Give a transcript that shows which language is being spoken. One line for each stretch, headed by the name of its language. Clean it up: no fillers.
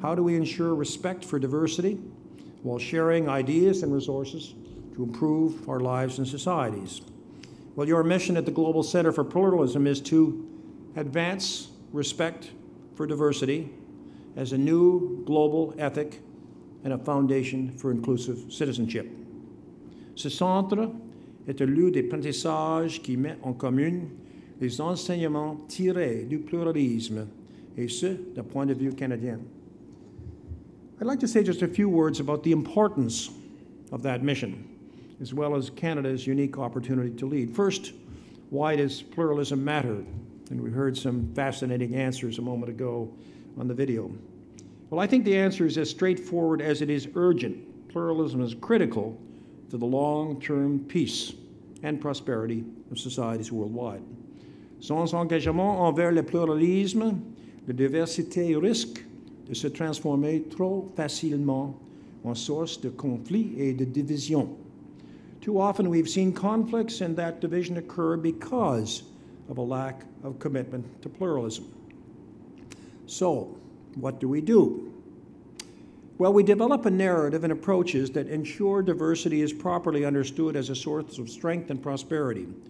English: How do we ensure respect for diversity while sharing ideas and resources to improve our lives and societies? Well, your mission at the Global Center for Pluralism is to advance respect for diversity as a new global ethic and a foundation for inclusive citizenship.
French: Ce centre est un lieu d'apprentissage qui met en commun les enseignements tirés du pluralisme, et ce, d'un point de vue canadien.
English: I'd like to say just a few words about the importance of that mission, as well as Canada's unique opportunity to lead. First, why does pluralism matter? And we heard some fascinating answers a moment ago on the video. Well, I think the answer is as straightforward as it is urgent. Pluralism is critical to the long-term peace and prosperity of societies worldwide.
French: Sans engagement envers le pluralisme, la diversité risque de se transformer trop facilement en source de conflits et de division.
English: Too often we've seen conflicts and that division occur because of a lack of commitment to pluralism. So, what do we do? Well, we develop a narrative and approaches that ensure diversity is properly understood as a source of strength and prosperity.